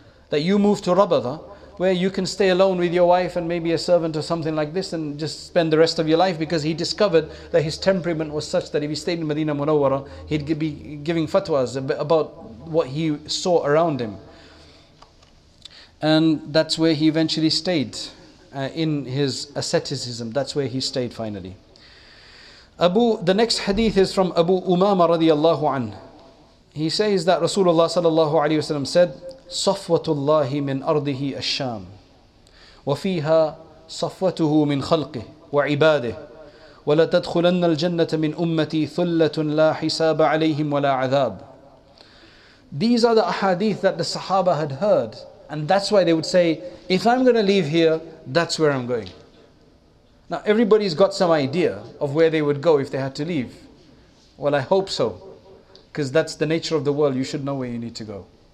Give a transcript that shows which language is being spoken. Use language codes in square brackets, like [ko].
[en] That you move to Rabada, where you can stay alone with your wife and maybe a servant or something like this and just spend the rest of your life, because he discovered that his temperament was such that if he stayed in Medina Munawwara, he'd be giving fatwas about what he saw around him. And that's where he eventually stayed, in his asceticism. That's where he stayed finally. The next hadith is from Abu Umama radiallahu an. He says that Rasulullah sallallahu alayhi wa sallam said, [ar] صفوةالله من أرضه الشام وفيها صفوته من خلقه وعباده ولا تدخلن الجنة من أمتي ثلة لا حساب عليهم ولا عذاب. [en] These are the ahadith that the Sahaba had heard, and that's why they would say, if I'm going to leave here, that's where I'm going. Now everybody's got some idea of where they would go if they had to leave. Well, I hope so, because that's the nature of the world. You should know where you need to go.